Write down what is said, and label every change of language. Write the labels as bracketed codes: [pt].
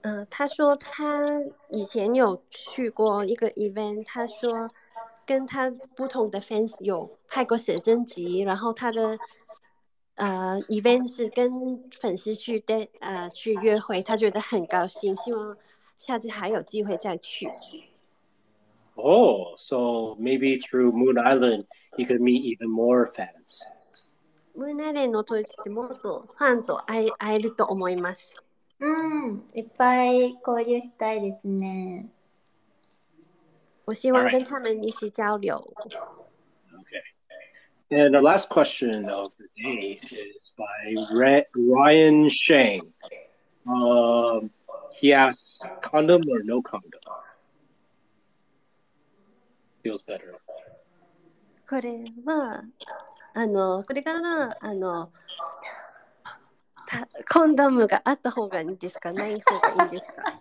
[zh] 他说他以前有去过一个 event， 他说跟他不同的 fans 有拍过写真集，然后他的event 是跟粉丝去去约会，他觉得很高兴，希望下次还有机会再去。 [en] Oh, so maybe through Moon Island, you could meet even more fans. [ja] Moon Island の時ってもっとファンと会えると思います。うん、いっぱい交流したいですね。 [zh] 我希望跟他们一起交流。 [en] And the last question of the day is by Ryan Shang. He asks, condom or no condom? Feels better. [ja] これは、これから、コンドームがあった方がいいですか、ない方がいいですか？